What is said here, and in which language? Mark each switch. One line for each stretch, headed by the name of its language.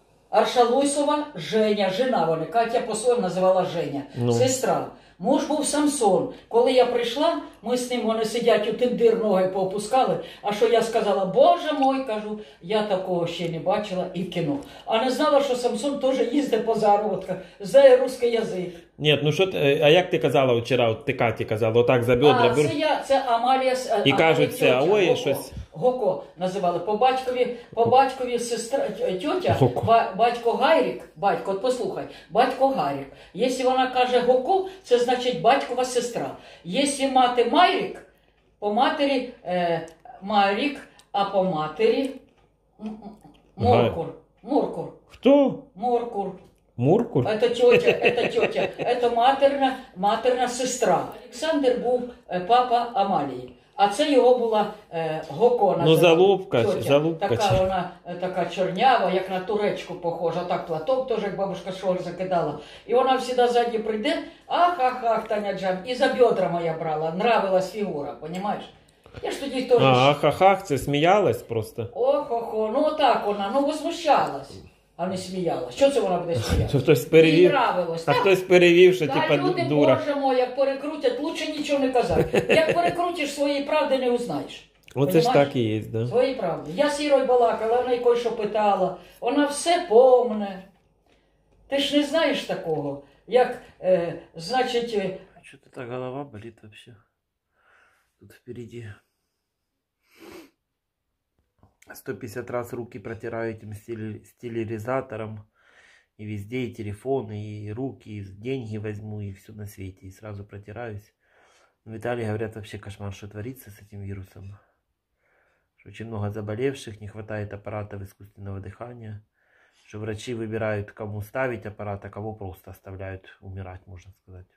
Ukrainian: Аршалусова – Женя, жена вони. Катя по-своєму називала Женя. Ну. Сестра. Муж був Самсон. Коли я прийшла, ми з ним, вони сидять у тиндир, ноги поопускали. А що я сказала? Боже мой, кажу, я такого ще не бачила і в кіно. А не знала, що Самсон теж їздить по заробітках, знає русський язик. Ні, ну що, а як ти казала вчора, от ти Каті казала, отак за бідра. А, це я, це Амалія. І Амалія, кажуть, це, тьотя, ой, Гоко, щось. Гоко називали, по батькові сестра, тьотя, Гоко. Батько Гайрік, батько, от послухай, батько Гайрік. Якщо вона каже Гоко, це значить батькова сестра. Якщо мати Майрік, по матері Майрік, а по матері Моркур. Моркур. Хто? Моркур. Муркур?
Russian: Это тетя, это тетя. Это матерна, матерна сестра.
Ukrainian: Александр був папа Амалії. А це його була Гокона. Ну, залубка, залубка. Така вона така чорнява, як на туречку похожа. Так платок теж, як бабушка Шор закидала. І вона завжди ззаді прийде, ах-ах-ах, Таня Джан. І за бедра моя брала, нравилась фігура, понімаєш? Я ж тоді теж... Ах-ах-ах, це сміялась просто. Ох-ох-ох, ну отак вона, ну возмущалась. А не сміяла. Що це вона буде сміяти? Хтось перевів. Нравилось, а так? Хтось перевів, що та, типа люди, дура. Боже мой, як перекрутять, лучше нічого не казати. Як перекрутиш, своєї правди не узнаєш. Оце ж так і є, так. Да. Своєї правди. Я сірою балакала, вона й кое-що питала. Вона все помне. Ти ж не знаєш такого, як, значить... Чого та голова боліть взагалі? Тут впереді.
Russian: 150 раз руки протираю этим стерилизатором, и везде, и телефон, и руки, и деньги возьму, и все на свете, и сразу протираюсь. Но в Италии говорят, вообще кошмар, что творится с этим вирусом. Очень много заболевших, не хватает аппаратов искусственного дыхания, что врачи выбирают, кому ставить аппарат, а кого просто оставляют умирать, можно сказать.